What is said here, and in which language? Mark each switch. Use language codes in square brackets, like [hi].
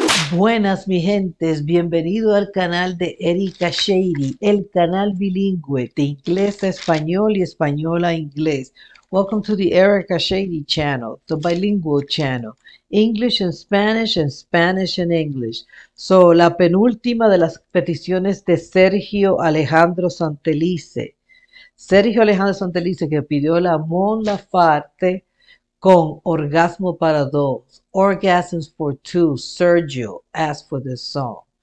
[es] Buenas, mi gentes, bienvenido al canal de Erika Shady, el canal bilingüe de inglés a español y español a inglés. [en] Welcome to the Erika Shady channel, the bilingual channel, English and Spanish and English. [es] So, la penúltima de las peticiones de Sergio Alejandro Santelice. Sergio Alejandro Santelice, que pidió la mon la farte con orgasmo para dos, [en] orgasms for two, Sergio asked for this song.